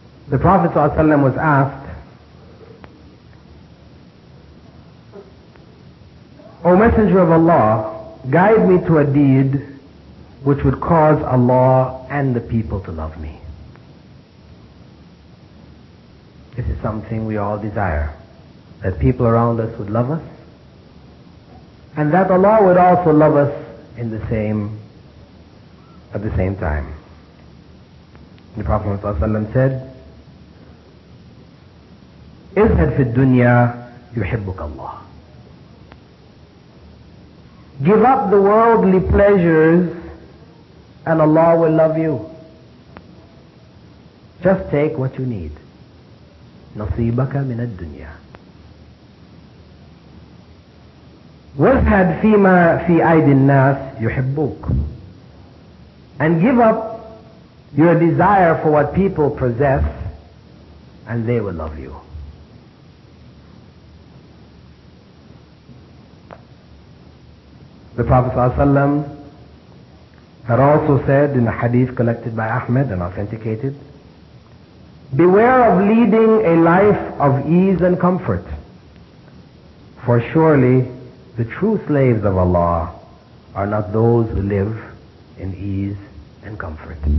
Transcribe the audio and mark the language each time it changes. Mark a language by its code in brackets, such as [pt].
[en] The Prophet sallallahu alayhi wa sallam was asked, O Messenger of Allah, guide me to a deed which would cause Allah and the people to love me. This is something we all desire, that people around us would love us, and that Allah would also love us in the same, at the same time. The Prophet ﷺ said, [ar] اذهب في الدنيا يحبك الله. [en] Give up the worldly pleasures and Allah will love you. Just take what you need. [ar] نصيبك من الدنيا. واذهب فيما في أيدي الناس يحبوك. [en] And give up your desire for what people possess and they will love you. The Prophet had also said in a hadith collected by Ahmed and authenticated, beware of leading a life of ease and comfort, for surely the true slaves of Allah are not those who live in ease and comfort.